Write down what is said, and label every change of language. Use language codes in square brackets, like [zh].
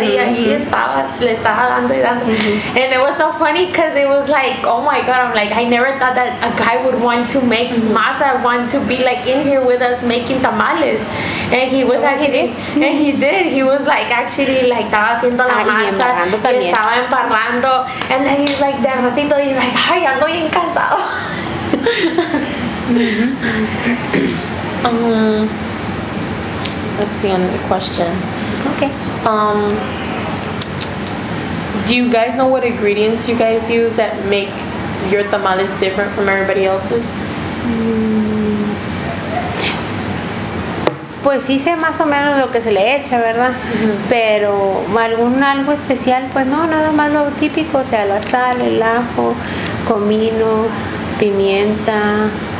[es] Mm-hmm. Y ahí le estaba dando y dando. Mm-hmm. [en] And it was so funny because it was like, oh my God. I'm like, I never thought that a guy would want to make masa, want to be in here with us making tamales. And he was he was [es] estaba haciendo la masa. Y estaba embarrando. [en] And then he's like, [es] de ratito, [en] he's like, [es] ay, ando bien cansado. [en] Let's see another question. Okay. Do you guys know what ingredients you guys use that make your tamales different from everybody else's? [es] Pues sí sé más o menos lo que se le echa, ¿verdad? Pero algo especial, pues no, nada más lo típico, o sea, la sal, el ajo, comino, pimienta.